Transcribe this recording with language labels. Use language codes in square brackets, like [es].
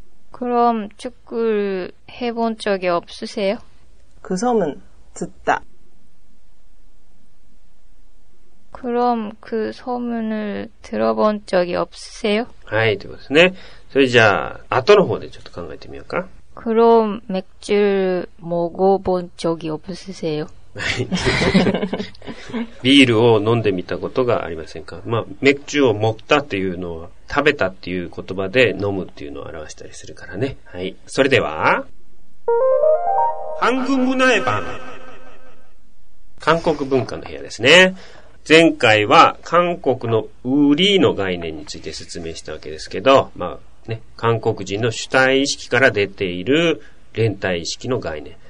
[ko] 그럼축구를해본적이없으세요? 그소문듣다 그럼그소문을들어본적이없으세요? [ja] はい、ということですね。それじゃあ後の方でちょっと考えてみようか。 [ko] 그럼맥주를먹어본적이없으세요? [ja] ビールを飲んでみたことがありませんか?まあ、맥주を먹다っていうのは食べたっていう言葉で飲むっていうのを表したりするからね。はい。それでは、 [ko] 한국문화의방。 [ja] 韓国文化の部屋ですね。前回は韓国のウリの概念について説明したわけですけど、まあ、ね、韓国人の主体意識から出ている連帯意識の概念。